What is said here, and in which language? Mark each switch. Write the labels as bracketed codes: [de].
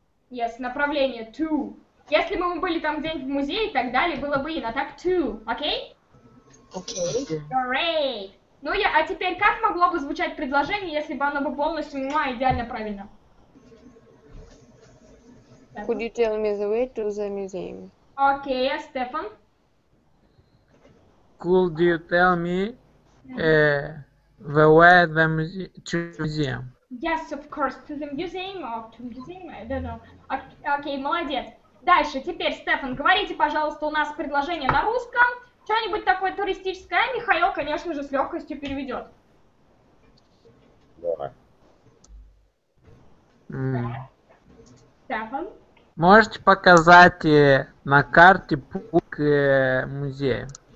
[en] Yes, [ru] направление, [en] to. [ru] Если бы мы были там где-нибудь в музее и так далее, было бы и на так to, окей? Окей. [en] Great. [ru] Ну я, а теперь как могло бы звучать предложение, если бы оно бы полностью, ну, идеально правильно? [en] Could you tell me the way to the museum? [ru] Окей, а Стефан? [en] Could you tell me the way to the museum? Yes, of course, to the museum or to museum, I don't know. [ru] Окей, молодец. Дальше, теперь, Стефан, говорите, пожалуйста, у нас предложение на русском. Что-нибудь такое туристическое, а Михаил, конечно же, с легкостью переведет. Давай. Стефан? Можете показать на карте путь музея?